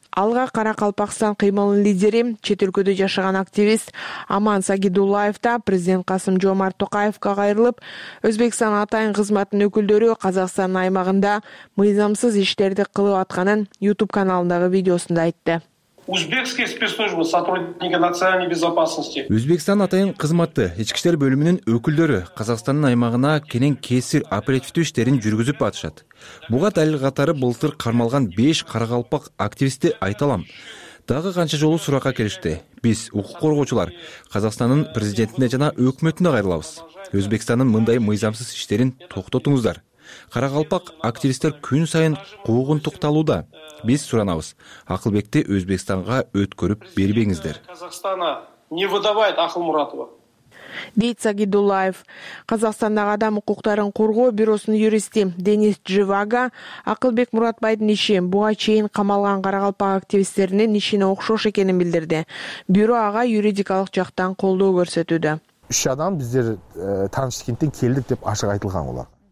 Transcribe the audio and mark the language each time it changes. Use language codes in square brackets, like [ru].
[ky] Алга Каракалпакстан кыймылынын лидери, чет өлкөдө жашаган активист Аман Сагидуллаев да президент Касым Жомарт Токаевка кайрылып, Өзбекстан атайын кызматынын өкүлдөрү Казакстандын аймагында мыйзамсыз иштерди кылып атканын YouTube каналындагы видеосунда айтты. [ru] Узбекские спецслужбы, сотрудники национальной безопасности. [ky] Өзбекстан атайын кызматты ички иштер бөлүмүнүн өкүлдөрү Казакстандын аймагына кенен кесир оперативдүү иштерин жүргүзүп атышат. Буга далил катары былтыр кармалган 5 каракалпак активисти айталам. Дагы канча жолу суракка келишти. Биз укук коргоочулар Казакстандын президентине жана өкмөтүнө кайрылабыз. Өзбекстандын мындай мыйзамсыз иштерин токтотуңуздар. Каракалпак активисттер күн сайын куугунтукталууда. Биз суранабыз. Акылбекти Өзбекстанга өткөрүп бербеңиздер. [ru] Казакстана не выдавает Акыл Муратова. [ky] Дейт Сагидуллаев. Казакстандагы адам укуктарын коргоо бюросунун юристи Денис Дживага Акылбек Муратбайдын иши буга чейин камалган каракалпак активисттеринин ишине окшош экенин билдирди. Бюро ага юридикалык жактан колдоо көрсөтүүдө. 3 адам биздер Ташкенттен келдик деп ашык айтылган болот.